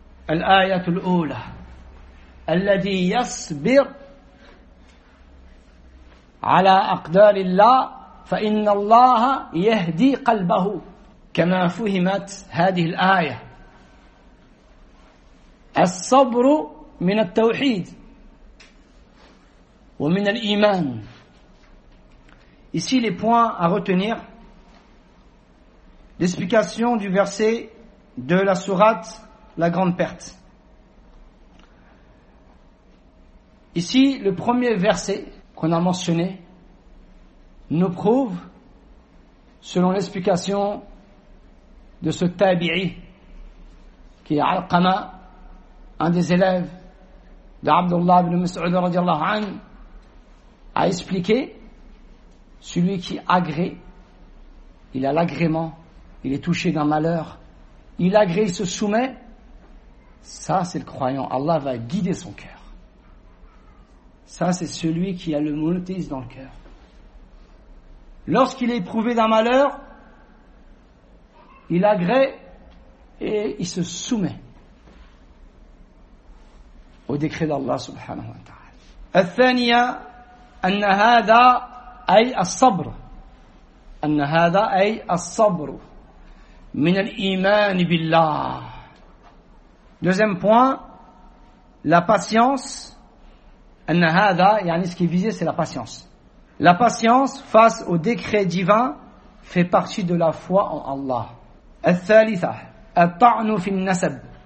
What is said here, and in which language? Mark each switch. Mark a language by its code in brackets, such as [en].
[ar] الآية الأولى الذي يصبر على أقدار الله فإن الله يهدي قلبه كما فهمت هذه الآية. الصبر من التوحيد ومن الإيمان. [fr] Ici, les points à retenir, l'explication du verset de la sourate, la grande perte. Ici, le premier verset qu'on a mentionné nous prouve, selon l'explication de ce tabi'i, qui est Al-Qama, un des élèves d'Abdullah ibn Mas'ud radiallahu anhu, a expliqué. Celui qui agrée, il a l'agrément, il est touché d'un malheur, il agrée, il se soumet, ça c'est le croyant, Allah va guider son cœur. Ça c'est celui qui a le monothéisme dans le cœur. Lorsqu'il est éprouvé d'un malheur, il agrée et il se soumet au décret d'Allah subhanahu wa ta'ala. [ar] Al-thaniya, anna hada أي الصبر أن هذا أي الصبر من الإيمان بالله. [fr] Deuxième point, la patience. [ar] أن هذا يعني [fr] ce qui est visé c'est la patience. La patience face au décret divin fait partie de la foi en Allah. [ar] الثالثة الطعن في النسب.